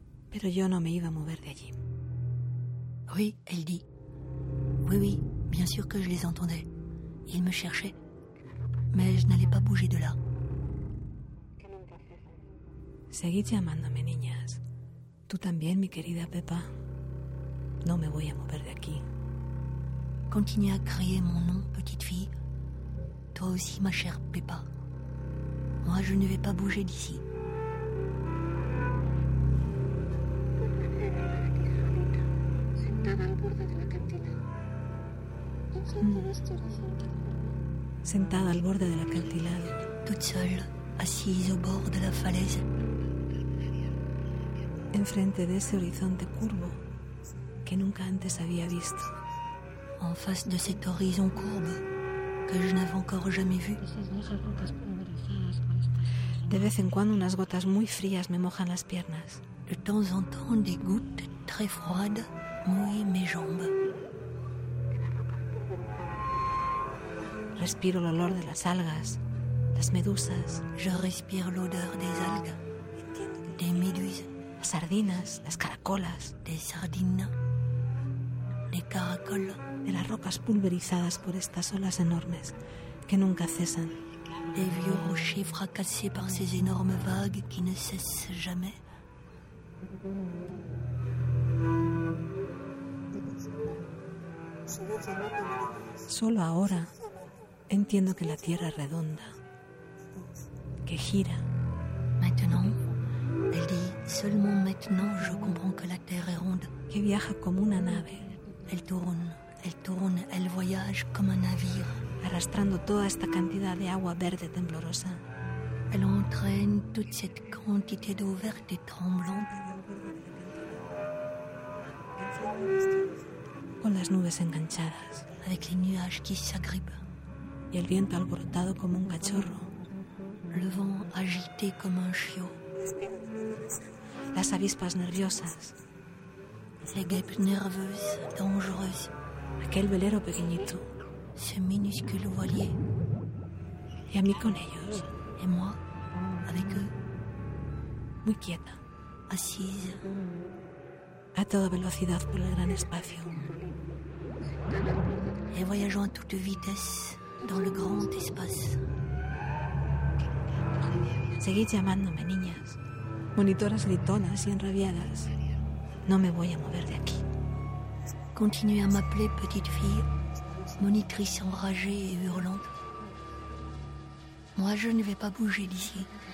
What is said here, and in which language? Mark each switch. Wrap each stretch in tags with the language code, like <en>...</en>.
<es>Pero yo no me iba a mover de allí.</es> <fr>Oui, elle dit. Oui, oui, bien sûr que je les entendais. Ils me cherchaient. Mais je n'allais pas bouger de là.</fr> <es>Seguid llamándome, niñas. Tú también, mi querida Pepa. No me voy a mover de aquí.</es> <fr>Continuez à crier mon nom, petite fille. Toi aussi, ma chère Pepa. Moi, je ne vais pas bouger d'ici.</fr> <es>Sentada al borde de l'acantilado.</es> <fr>Toute seule, assise au bord de la falaise.</fr> <es>Enfrente de ese horizonte curvo que nunca antes había visto.</es> <fr>En face de cet horizon courbe que je n'avais encore jamais vu.</fr> <es>De vez en cuando unas gotas muy frías me mojan las piernas.</es> <fr>De temps en temps, des gouttes très froides mouillent mes jambes.</fr> <es>Respiro el olor de las algas, las medusas.</es> <fr>Je respire l'odeur des algues, des méduses.</fr> <es>Las sardinas, las caracolas.</es> <fr>Des sardines, des caracoles.</fr> <es>De las rocas pulverizadas por estas olas enormes que nunca cesan.</es> <fr>Des vieux rochers fracassés par ces énormes vagues qui ne cessent jamais.</fr> <es>Solo ahora entiendo que la tierra es redonda, que gira.</es> <fr>Maintenant, elle dit, seulement maintenant je comprends que la terre est ronde.</fr> <es>Que viaja como una nave.</es> <fr>Elle tourne, elle tourne, elle voyage comme un navire.</fr> <es>Arrastrando toda esta cantidad de agua verde temblorosa.</es> <fr>Elle entraîne toute cette quantité d'eau verte et tremblante.</fr> <es>Con las nubes enganchadas.</es> <fr>Avec les nuages qui s'agrippent.</fr> <es>Y el viento alborotado como un cachorro.</es> <fr>Le vent agité comme un chiot.</fr> <es>Las avispas nerviosas.</es> <fr>Les guêpes nerveuses, dangereuses.</fr> <es>Aquel velero pequeñito.</es> <fr>Ce minuscule voilier.</fr> <es>Y a mí con ellos.</es> <fr>Et moi, avec eux.</fr> <es>Muy quieta.</es> <fr>Assise.</fr> <es>A toda velocidad por el gran espacio.</es> <fr>Et voyageant a toute vitesse. Dans le grand espace.</fr> <es>Seguid llamándome, niñas. Monitoras gritonas y enrabiadas. No me voy a mover de aquí.</es> <fr>Continuez à m'appeler, petite fille. Monitrice enragée et hurlante. Moi, je ne vais pas bouger d'ici.</fr>